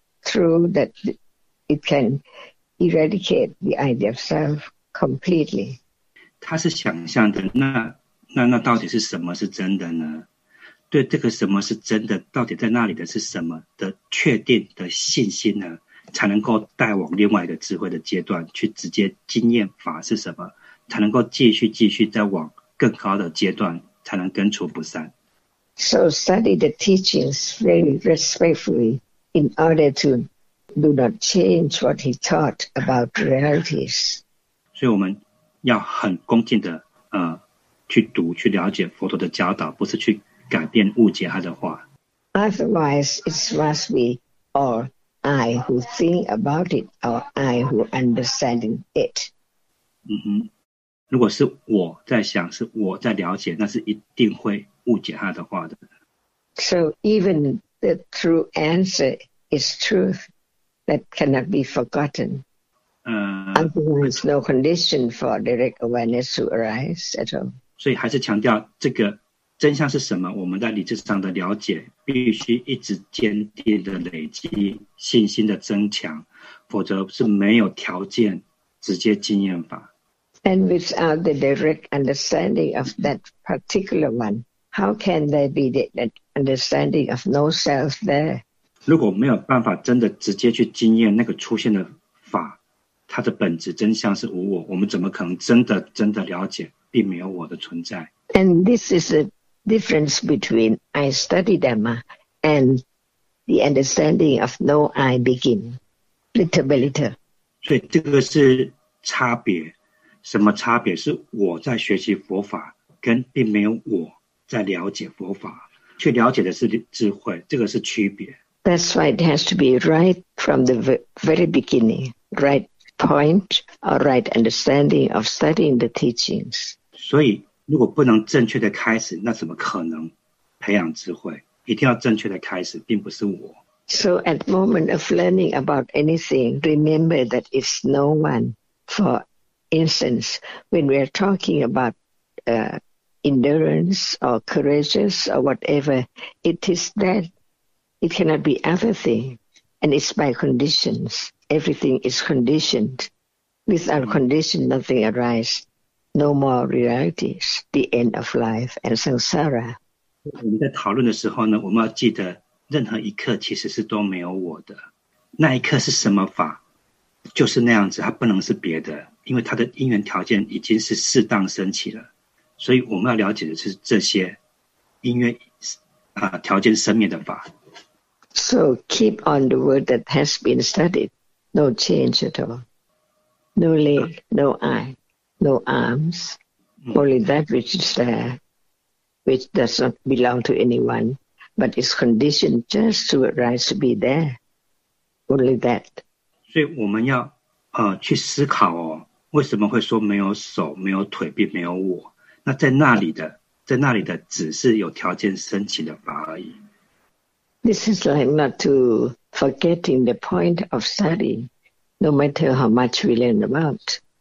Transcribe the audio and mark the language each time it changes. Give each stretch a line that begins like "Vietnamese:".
English: Through that it can eradicate the idea of self completely.
Chinese: 他是想象的，那到底是什么是真的呢？对这个什么是真的，到底在那里的是什么的确定的信心呢？才能够带往另外一个智慧的阶段，去直接经验法是什么，才能够继续再往更高的阶段，才能根除不善。
English: So study the teachings very respectfully. In order to do not change what he taught about realities.
Chinese: 所以我们要很恭敬的去读去了解佛陀的教导，不是去改变误解他的话。
English: Otherwise, it must be or I who think about it or I who understanding it.
Chinese: 嗯哼，如果是我在想，是我在了解，那是一定会误解他的话的。
English: So even. The true answer is truth that cannot be forgotten. There is no condition for direct awareness to arise at all.
Chinese: 所以还是强调这个真相是什么？我们在理智上的了解必须一直坚定的累积信心的增强，否则是没有条件直接经验法。
English: And without the direct understanding of that particular one. How can there be the understanding of no self there?
Chinese: 如果没有办法真的直接去经验那个出现的法，它的本质真相是无我，我们怎么可能真的了解并没有我的存在？
English: And this is the difference between I study Dhamma and the understanding of no I begin, little by little.
Chinese: 所以这个是差别，什么差别？是我在学习佛法跟并没有我。在了解佛法，去了解的是智慧，这个是区别。
English: That's why it has to be right from the very beginning, right point or right understanding of studying the teachings.
Chinese: 所以，如果不能正确的开始，那怎么可能培养智慧？一定要正确的开始，并不是我。
English: So at the moment of learning about anything, remember that it's no one. For instance, when we are talking about endurance or courageous or whatever, it is that. It cannot be other thing. And it's by conditions. Everything is conditioned. Without condition, nothing arises. No more realities. The end of life and samsara.
Chinese: 我们在讨论的时候呢, 我们要记得, 任何一刻其实是都没有我的。那一刻是什么法?就是那样子, 它不能是别的, 因为它的因缘条件已经是适当升起了。所以我们要了解的是这些, 因缘, 啊, 条件生灭的法。
English: So keep on the word that has been studied. No change at all. No leg, no eye, no arms. Only that which is there, which does not belong to anyone, but is conditioned just to arise to be there. Only that.
Chinese: 所以我们要, 去思考哦, 为什么会说没有手,没有腿,并没有我? 那在那里的, 在那里的只是有条件升起的法而已。
English: This is like not to forgetting the point of study, no matter how much we learn about.